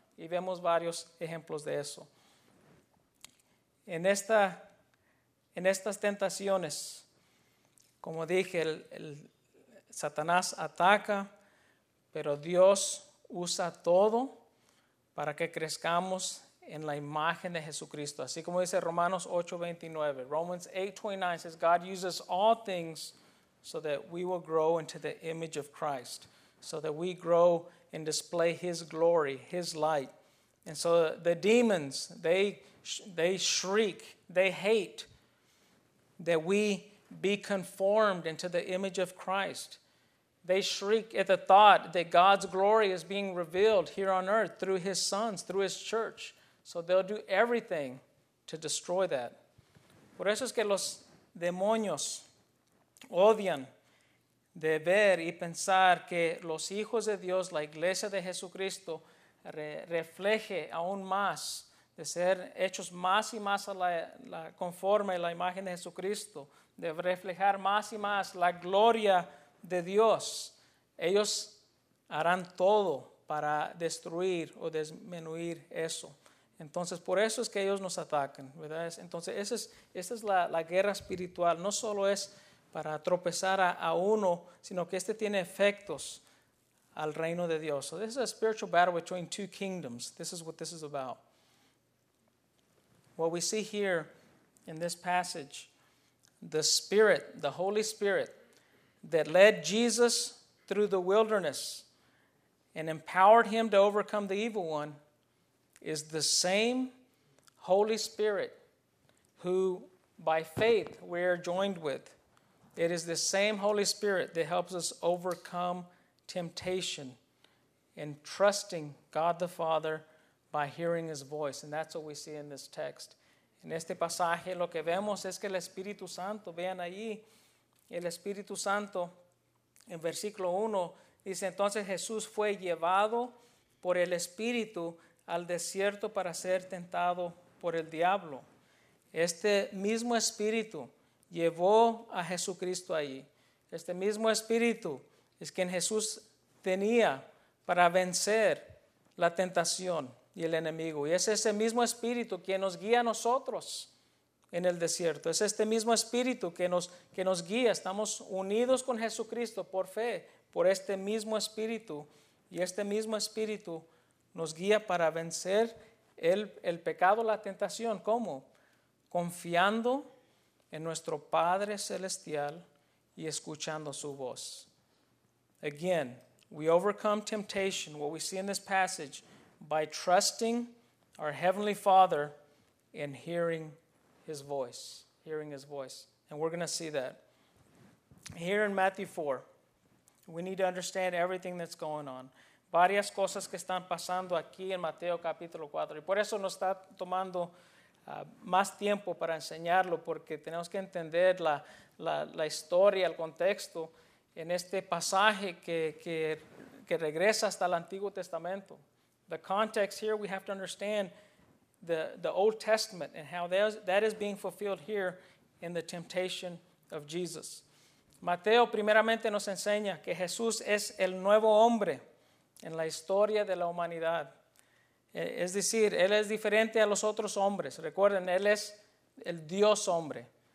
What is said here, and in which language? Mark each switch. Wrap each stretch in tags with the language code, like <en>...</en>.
<es>Y vemos varios ejemplos de eso. En estas tentaciones, como dije, el Satanás ataca, pero Dios usa todo para que crezcamos en la imagen de Jesucristo. Así como dice</es> <en>Romans 8:29 says, God uses all things so that we will grow into the image of Christ, so that we grow and display his glory, his light. And so the demons, they shriek, they hate that we be conformed into the image of Christ. They shriek at the thought that God's glory is being revealed here on earth through his sons, through his church. So they'll do everything to destroy that.</en> <es>Por eso es que los demonios odian de ver y pensar que los hijos de Dios, la iglesia de Jesucristo, refleje aún más de ser hechos más y más a la conforme a la imagen de Jesucristo, de reflejar más y más la gloria de Dios. Ellos harán todo para destruir o disminuir eso. Entonces, por eso es que ellos nos atacan, ¿verdad? Entonces, esa es la guerra espiritual. No solo es para tropezar a uno, sino que este tiene efectos al reino de Dios.</es> <en>So this is a spiritual battle between two kingdoms. This is what this is about. What we see here in this passage, the Spirit, the Holy Spirit, that led Jesus through the wilderness and empowered him to overcome the evil one, is the same Holy Spirit who, by faith, we are joined with. It is the same Holy Spirit that helps us overcome temptation and trusting God the Father by hearing His voice. And that's what we see in this text.</en> <es>En este pasaje, lo que vemos es que el Espíritu Santo, vean ahí, el Espíritu Santo, en versículo 1, dice, entonces Jesús fue llevado por el Espíritu al desierto para ser tentado por el diablo. Este mismo Espíritu llevó a Jesucristo allí. Este mismo Espíritu es quien Jesús tenía para vencer la tentación y el enemigo. Y es ese mismo Espíritu quien nos guía a nosotros en el desierto. Es este mismo Espíritu que nos guía. Estamos unidos con Jesucristo por fe, por este mismo Espíritu. Y este mismo Espíritu nos guía para vencer el pecado, la tentación. ¿Cómo? Confiando en nuestro Padre Celestial y escuchando su voz.</es> <en>Again, we overcome temptation, what we see in this passage, by trusting our Heavenly Father and hearing His voice. And we're going to see that. Here in Matthew 4, we need to understand everything that's going on.</en> <es>Varias cosas que están pasando aquí en Mateo capítulo 4. Y por eso nos está tomando más tiempo para enseñarlo, porque tenemos que entender la historia, el contexto en este pasaje que regresa hasta el Antiguo Testamento.</es> <en>The context here, we have to understand the Old Testament and how that is being fulfilled here in the temptation of Jesus.</en> <es>Mateo primeramente nos enseña que Jesús es el nuevo hombre en la historia de la humanidad. Es decir, Él es diferente a los otros hombres. Recuerden, Él es el Dios hombre.</es>